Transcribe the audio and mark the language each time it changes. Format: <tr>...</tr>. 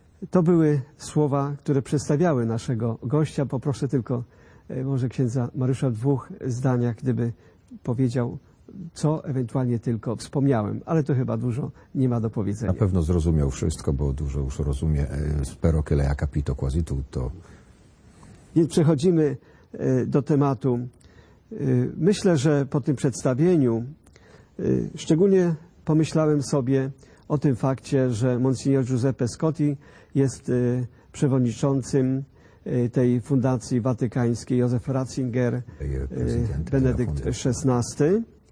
<pl>To były słowa, które przedstawiały naszego gościa. Poproszę tylko może księdza Mariusza w dwóch zdaniach, gdyby powiedział, co ewentualnie tylko wspomniałem, ale to chyba dużo nie ma do powiedzenia. Na pewno zrozumiał wszystko, bo dużo już rozumie.</pl> <it>Spero che lei ha capito quasi tutto.</it> <pl>Więc przechodzimy do tematu. Myślę, że po tym przedstawieniu szczególnie pomyślałem sobie o tym fakcie, że Monsignor Giuseppe Scotti jest przewodniczącym tej Fundacji Watykańskiej, Józef Ratzinger, Benedykt XVI.</pl>